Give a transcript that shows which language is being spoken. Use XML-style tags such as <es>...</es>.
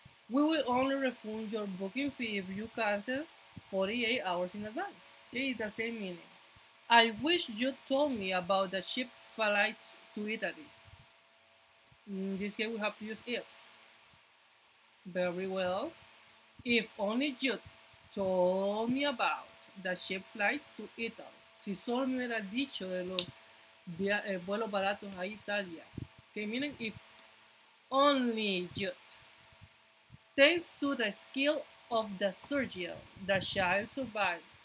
<en>We will only refund your booking fee if you cancel 48 hours in advance. Okay, the same meaning. I wish you told me about the cheap flights to Italy. In this case, we have to use if. Very well. If only you told me about the cheap flights to Italy.</en> <es>Si solo me hubiera dicho de los vuelos baratos a Italia.</es> <en>Okay, meaning if only you. Thanks to the skill of the surgeon, the child survived.</en>